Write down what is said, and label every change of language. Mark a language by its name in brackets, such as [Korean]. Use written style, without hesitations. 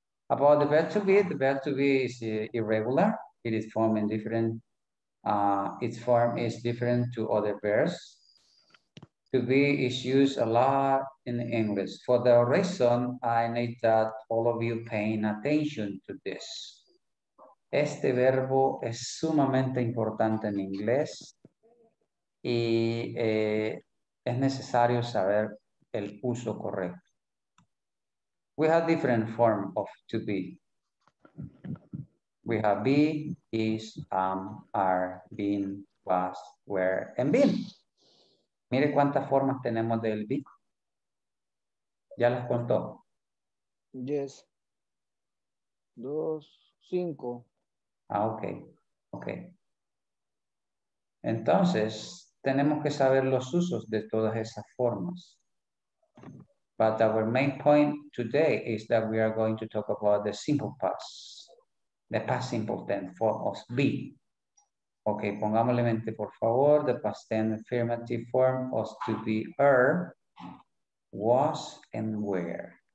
[English] About the verb to be is irregular. It is formed in different, its form is different to other verbs. To be is used a lot in English. For the reason, I need that all of you paying attention to this. [Spanish] Este verbo es sumamente importante en inglés y es necesario saber el uso correcto. [English] We have different forms of to be. We have be, is, are, been, was, were, and been. [Spanish] Mire cuántas formas tenemos del be. ¿Ya las contó? [English] Yes. 2, 5. Ah, ok. Ok. [Spanish] Entonces, tenemos que saber los usos de todas esas formas. [English] But our main point today is that we are going to talk about the simple past. The past simple tense form of be. Ok, [Spanish] pongámosle mente, por favor, [English] the past tense affirmative form of to be was and were.